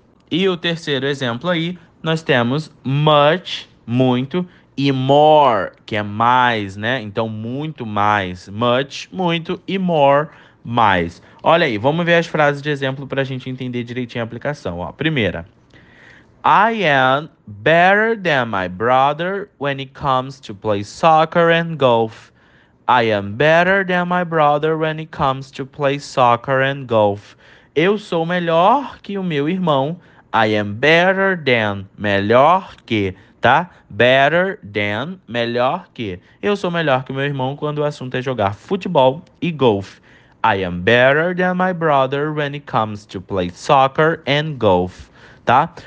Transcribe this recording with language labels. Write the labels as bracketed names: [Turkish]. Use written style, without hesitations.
[Portuguese] E o terceiro exemplo aí, nós temos much, muito, e more, que é mais, né? Então, muito mais. Much, muito, e more, mais. Olha aí, vamos ver as frases de exemplo para a gente entender direitinho a aplicação. Ó, primeira. [English] I am better than my brother when it comes to play soccer and golf. I am better than my brother when it comes to play soccer and golf. [Portuguese] Eu sou melhor que o meu irmão. [English] I am better than, [Portuguese] melhor que, tá? [English] Better than, [Portuguese] melhor que. Eu sou melhor que meu irmão quando o assunto é jogar futebol e golf. [English] I am better than my brother when it comes to play soccer and golf, tá?